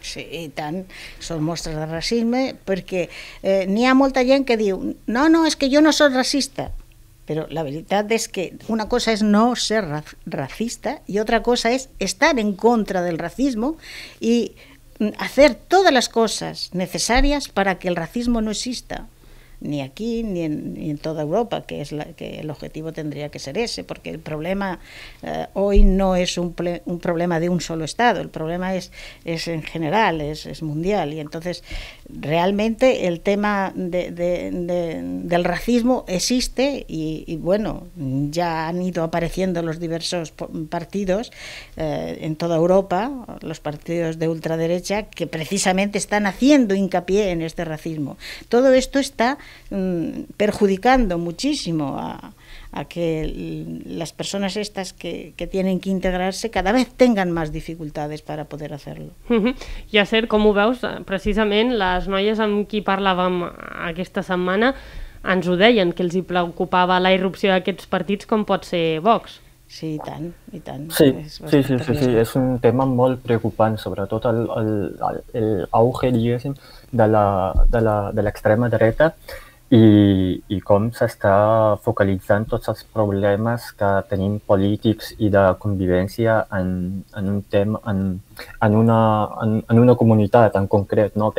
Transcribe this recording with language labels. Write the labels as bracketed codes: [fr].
[ca] Sí, i tant, són mostres de racisme, perquè n'hi ha molta gent que diu no, és que jo no soc racista. Però la veritat és que una cosa és no ser racista i altra cosa és estar en contra del racisme i fer totes les coses necessàries perquè el racisme no exista. [es] ni aquí ni en toda Europa, que es la, que el objetivo tendría que ser ese, porque el problema hoy no es un problema de un solo Estado, el problema es en general, es mundial, y entonces realmente el tema del racismo existe y bueno, ya han ido apareciendo los diversos partidos en toda Europa, los partidos de ultraderecha, que precisamente están haciendo hincapié en este racismo. Todo esto está perjudicando muchísimo a que las personas estas que tienen que integrarse cada vez tengan más dificultades para poder hacerlo. [ca] I a ser, com ho veus, precisament les noies amb qui parlàvem aquesta setmana ens ho deien, que els hi preocupava la irrupció d'aquests partits com pot ser Vox. Sí, i tant, sí, és bastant trist. Sí, és un tema molt preocupant, sobretot el auge, diguéssim, de l'extrema dreta i com s'està focalitzant tots els problemes que tenim polítics i de convivència en un tema, en una comunitat en concret, no?